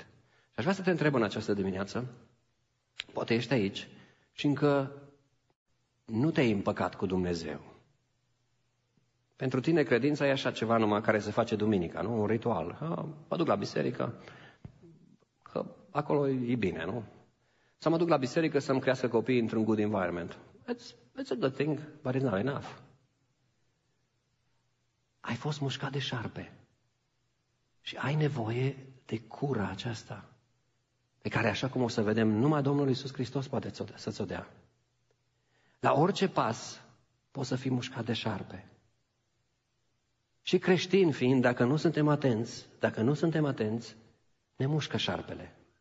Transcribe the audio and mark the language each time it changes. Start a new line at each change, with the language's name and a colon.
Romanian: Și aș vrea să te întreb în această dimineață, poate ești aici și încă nu te-ai împăcat cu Dumnezeu. Pentru tine credința e așa ceva numai care se face duminica, nu? Un ritual. Ha, mă duc la biserică, că acolo e bine, nu? Sau mă duc la biserică să-mi crească copiii într-un
English: good environment. It's a good thing, but it's not enough.
Romanian: Ai fost mușcat de șarpe și ai nevoie de cura aceasta, pe care, așa cum o să vedem, numai Domnul Iisus Hristos poate să-ți o dea. La orice pas poți să fii mușcat de șarpe. Și creștini fiind, dacă nu suntem atenți, ne mușcă șarpele.